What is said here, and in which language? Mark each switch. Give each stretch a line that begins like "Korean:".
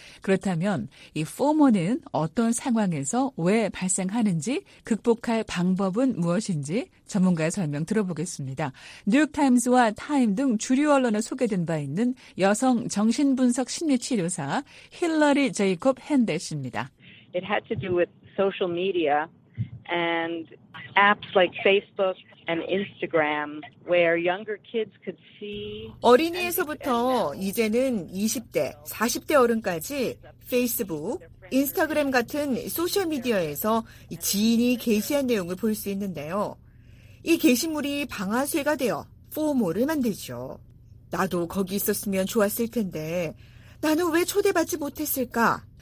Korean: 그렇다면 이 FOMO는 어떤 상황에서 왜 발생하는지 극복할 방법은 무엇인지 전문가의 설명 들어보겠습니다. 뉴욕타임스와 타임 등 주류 언론에 소개된 바 있는 여성 정신분석 심리치료사 힐러리 제이콥 핸데스입니다.
English: It had to do with social media and apps like Facebook and Instagram where younger kids could see
Korean: 어린이에서부터 이제는 20대, 40대 어른까지 페이스북, 인스타그램 같은 소셜 미디어에서 지인이 게시한 내용을 볼 수 있는데요. 이 게시물이 방아쇠가 되어 포모를 만들죠. 나도 거기 있었으면 좋았을 텐데 나는 왜 초대받지 못했을까?